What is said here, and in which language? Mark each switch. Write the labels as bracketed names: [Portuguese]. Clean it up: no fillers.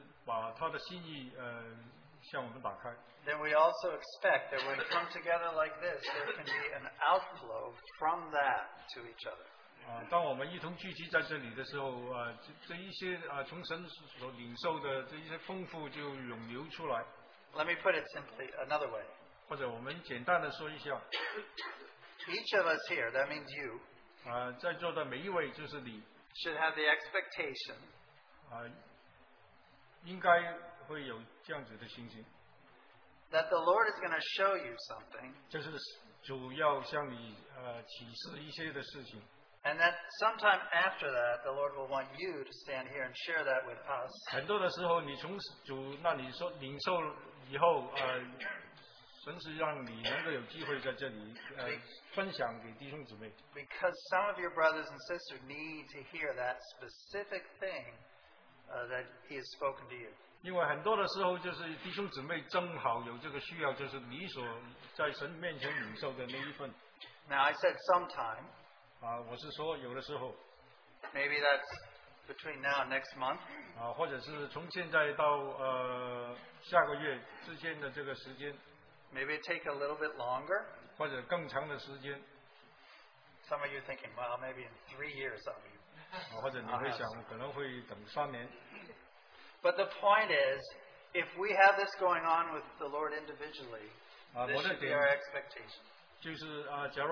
[Chinese] 既然就是我们每一个人都是与主有活的交通的话，他会就是把他的心意向我们打开。 [English] Then we also expect that when we come together like this, there can be an outflow from that to each other. [Chinese] 当我们一同聚集在这里的时候，这一些从神所领受的这一些丰富就涌流出来。 [English] Let me put it simply another way. [Chinese] 或者我们简单的说一下。 [English] Each of us here, that means you, [Chinese] 在座的每一位就是你, [English] should have the expectation [Chinese] 应该会有这样子的心情, [English] that the Lord is going to show you something, [Chinese] 就是主要向你, 启示一些的事情, [English] and that sometime after that, the Lord will want you to stand here and share that with us. [Chinese] 很多的时候你从主那里说, 以后，神是让你能够有机会在这里分享给弟兄姊妹。 [English] Because some of your brothers and sisters need to hear that specific thing that He has spoken to you. [Chinese] 因为很多的时候就是弟兄姊妹正好有这个需要，就是你所在神面前领受的那一份。 [English] Now I said sometime. [Chinese] 我是说有的时候。 [English] Maybe that's between now and next month. [Chinese] 或者是从现在到下个月之间的这个时间。 [English] Maybe it take a little bit longer. [Chinese] 或者更长的时间。 [English] Some of you are thinking, well, maybe in 3 years of you. [Chinese] 或者你会想可能会等三年。 [English] But the point is, if we have this going on with the Lord individually, this should be our expectation.